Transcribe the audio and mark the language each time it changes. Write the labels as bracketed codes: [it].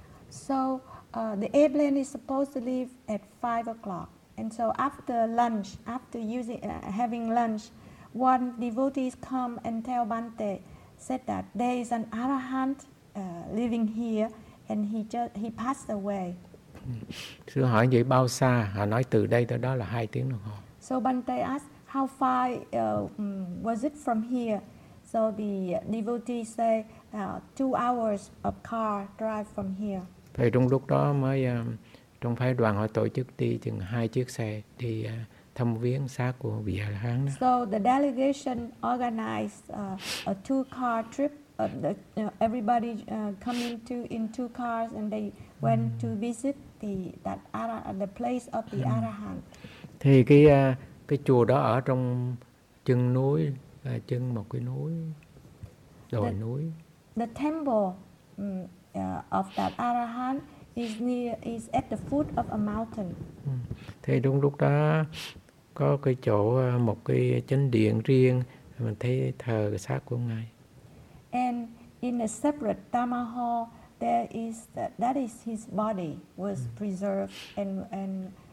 [en] So the airplane is supposed to leave at 5 o'clock, and so after lunch, after using having lunch, one devotee come and tell Bhante, said that there is an A-la-hant living here, and he passed away. [vi] Sư hỏi vậy bao xa? Họ nói từ đây tới đó là 2 tiếng đồng hồ. [en] So Bhante asked how far was it from here. So the devotee say 2 hours of car drive from here. [vi] Thì trong lúc đó mới trong phái đoàn họ tổ chức đi chừng 2 chiếc xe đi thăm viếng xác của vị A-la-hán đó. [en] So the delegation organized a 2-car trip. Everybody coming to in 2 cars and they went to visit the place of the A-la-hán. [vi] Thì cái chùa đó ở trong chân núi, chân một cái núi, đồi núi. [en] The temple of that A-la-hán is at the foot of a mountain. [vi] Thì đúng lúc đó có cái chỗ một cái chánh điện riêng mình thấy thờ xác của ngài. [en] And in a separate Dharma hall, there is that is his body was preserved and